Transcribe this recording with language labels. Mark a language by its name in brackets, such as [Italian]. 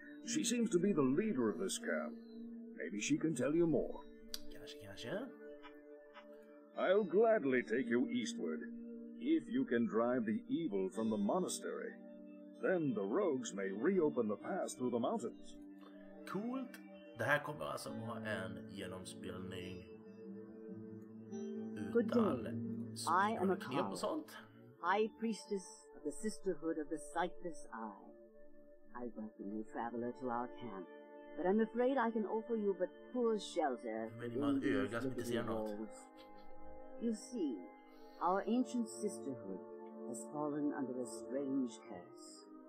[English] She seems to be the leader of this camp. Maybe she can tell you more. Gotcha. I'll gladly take you eastward, if you can drive the evil from the monastery. Then the rogues may reopen the pass through the mountains. [Swedish] Coolt! Det här kommer alltså vara en genomspelning utan spelklipp och sånt. [English] High priestess of the sisterhood of the sightless eye. I welcome you, traveler, to our camp. But I'm afraid I can offer you but poor shelter. You see, our ancient sisterhood has fallen under a strange curse.